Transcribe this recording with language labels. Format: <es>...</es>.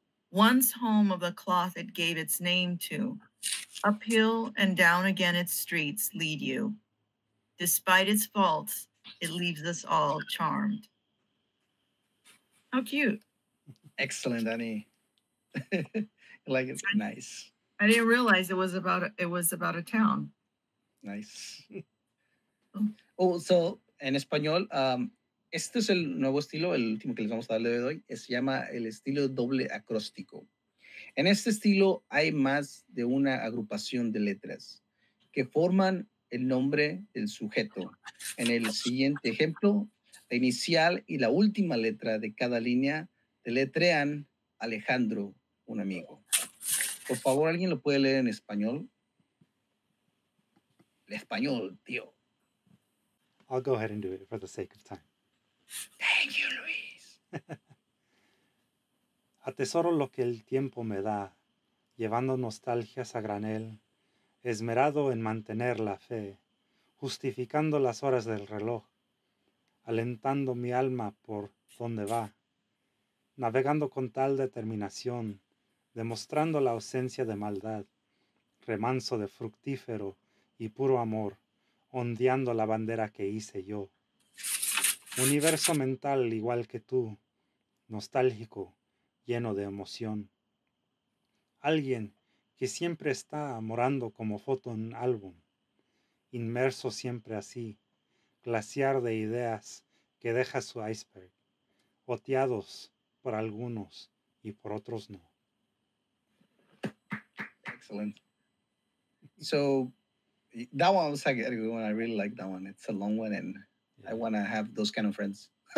<en>Once home of the cloth it gave its name to, uphill and down again its streets lead you. Despite its faults, it leaves us all charmed. How cute. Excellent, Annie. Like, it's nice. I didn't realize it was about a town. Nice. Oh, so in</en> <es>español, este es el nuevo estilo, el último que les vamos a darle hoy, se llama el estilo doble acróstico. En este estilo hay más de una agrupación de letras que forman el nombre del sujeto. En el siguiente ejemplo, la inicial y la última letra de cada línea deletrean Alejandro, un amigo. Por favor, ¿alguien lo puede leer en español? El español, tío.</es> <en>I'll go ahead and do it for the sake of time. Thank you, Luis.</en> <es>Atesoro lo que el tiempo me da, llevando nostalgias a granel, esmerado en mantener la fe, justificando las horas del reloj, alentando mi alma por donde va, navegando con tal determinación, demostrando la ausencia de maldad, remanso de fructífero y puro amor, ondeando la bandera que hice yo. Universo mental igual que tú, nostálgico, lleno de emoción. Alguien que siempre está morando como foto en álbum, inmerso siempre así, glaciar de ideas que deja su iceberg, oteados por algunos y por otros no.</es> <en>Excellent. So that one was a good one. I really like that one. It's a long one, and yeah. I want to have those kind of friends.</en>